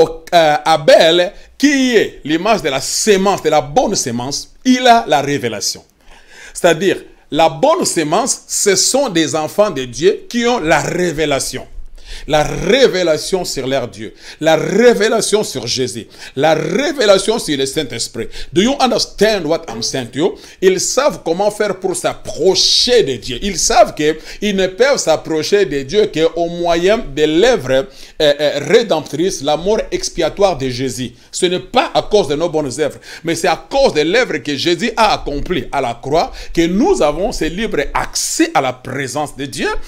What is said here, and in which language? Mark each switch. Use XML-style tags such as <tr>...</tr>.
<fr>Abel, qui est l'image de la sémence, de la bonne sémence, il a la révélation. C'est-à-dire, la bonne sémence, ce sont des enfants de Dieu qui ont la révélation. La révélation sur leur Dieu, la révélation sur Jésus, la révélation sur le Saint-Esprit.</fr> <en>Do you understand what I'm saying to you?</en> <fr>Ils savent comment faire pour s'approcher de Dieu. Ils savent qu'ils ne peuvent s'approcher de Dieu qu'au moyen de l'œuvre rédemptrice, la mort expiatoire de Jésus. Ce n'est pas à cause de nos bonnes œuvres, mais c'est à cause de l'œuvre que Jésus a accomplie à la croix que nous avons ce libre accès à la présence de Dieu.</fr>